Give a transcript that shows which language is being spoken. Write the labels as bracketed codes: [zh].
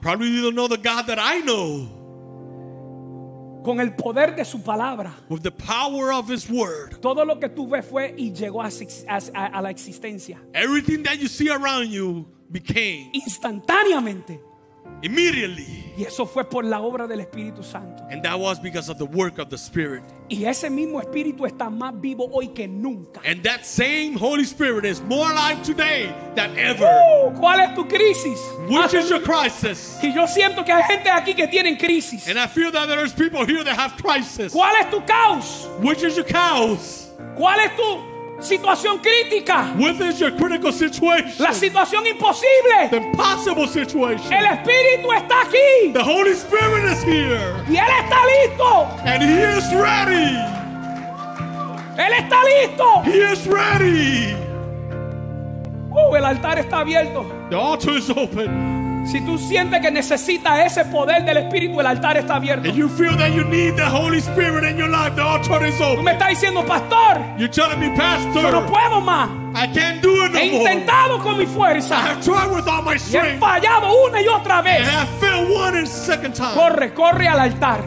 [en] Probably you don't know the God that I know. [es] con el poder de su palabra. [en] With the power of his word. [es] Todo lo que tú ves fue y llegó a la existencia. [en] Everything that you see around you became. [es] Instantáneamente. [en] Immediately. [es] Y eso fue por la obra del Espíritu Santo. [en] And that was because of the work of the Spirit. [es] Y ese mismo Espíritu está más vivo hoy que nunca. [en] And that same Holy Spirit is more alive today than ever. [es] ¿Cuál es tu crisis? [en] Which is your crisis? [es] Y yo siento que hay gente aquí que tienen crisis. [en] And I feel that there are people here that have crisis. [es] ¿Cuál es tu caos? [en] Which is your caos? [es] ¿Cuál es tu situación crítica? [en] What is your critical situation? [es] La situación imposible. [en] The impossible situation. [es] El Espíritu está aquí. [en] The Holy Spirit is here. [es] Y él está listo. [en] And he is ready. [es] Él está listo. [en] He is ready. [es] El altar está abierto. [en] The altar is open. [es] Si tú sientes que necesitas ese poder del Espíritu, el altar está abierto. [en] If you feel that you need the Holy Spirit in your life, the altar is open. [es] Tú me estás diciendo, pastor. [en] You're telling me, pastor. [es] Yo no puedo más. [en] I can't do it no [es] more. He intentado con mi fuerza. [en] I've tried with all my strength. [es] Y he fallado una y otra vez. [en] And I failed one and second time. [es] Corre, corre al altar.